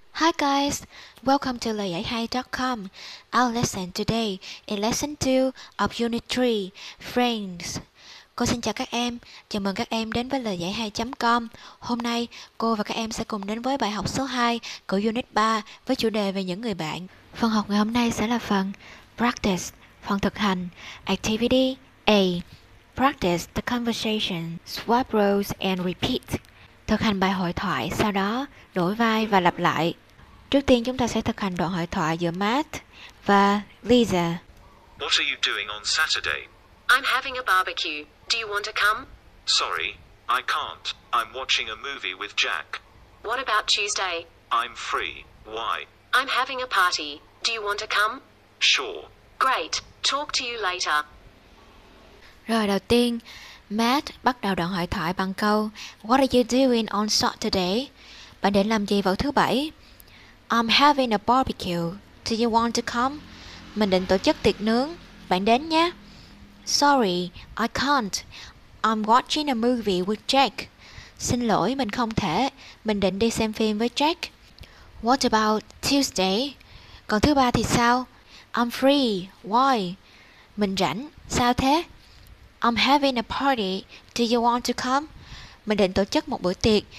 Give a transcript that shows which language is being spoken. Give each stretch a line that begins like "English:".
English: Hi guys, welcome to lời giải hay.com. Our lesson today is lesson 2 of unit 3, friends.
Vietnamese: Cô xin chào các em, chào mừng các em đến với lời giải hay.com. Hôm nay, cô và các em sẽ cùng đến với bài học số 2 của unit 3 với chủ đề về những người bạn. Phần học ngày hôm nay sẽ là phần practice, phần thực hành, activity A.
English: Practice the conversation, swap roles and repeat.
Vietnamese: Thực hành bài hội thoại, sau đó đổi vai và lặp lại. Trước tiên chúng ta sẽ thực hành đoạn hội thoại giữa Matt và Lisa.
English: What are you doing on Saturday? I'm having a barbecue. Do you want to come? Sorry, I can't. I'm watching a movie with Jack. What about Tuesday? I'm free. Why? I'm having a party. Do you want to come? Sure. Great. Talk to you later.
Vietnamese: Rồi đầu tiên, Matt bắt đầu đoạn hội thoại bằng câu
English: What are you doing on Saturday?
Vietnamese: Bạn đến làm gì vào thứ bảy?
English: I'm having a barbecue. Do you want to come?
Vietnamese: Mình định tổ chức tiệc nướng. Bạn đến nhé.
English: Sorry, I can't. I'm watching a movie with Jack.
Vietnamese: Xin lỗi, mình không thể. Mình định đi xem phim với Jack.
English: What about Tuesday?
Vietnamese: Còn thứ ba thì sao?
English: I'm free. Why?
Vietnamese: Mình rảnh. Sao thế?
English: I'm having a party. Do you want to come?
Vietnamese: Mình định tổ chức một bữa tiệc.